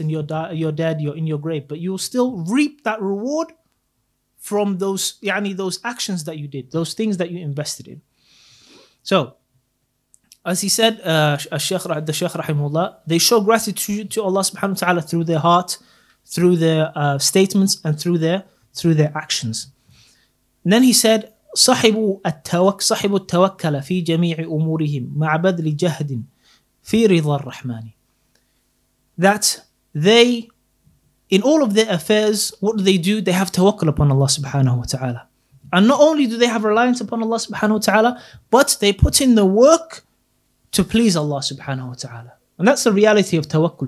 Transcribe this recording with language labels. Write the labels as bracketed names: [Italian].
[English] And you're dead, you're in your grave, but you'll still reap that reward from those, yani those actions that you did, those things that you invested in. So, as he said, the Shaykh Rahimullah, they show gratitude to Allah subhanahu wa ta'ala through their heart, through their statements, and through their actions. And then he said, [Arabic] صَحِبُوا التَّوَكَّلَ فِي جَمِيعِ أُمُورِهِمْ مَعَ بَدْلِ جَهْدٍ فِي رِضَى الرَّحْمَانِ. [English] That they, in all of their affairs, what do? They have tawakkul upon Allah subhanahu wa ta'ala. And not only do they have reliance upon Allah subhanahu wa ta'ala, but they put in the work to please Allah subhanahu wa ta'ala. And that's the reality of tawakkul.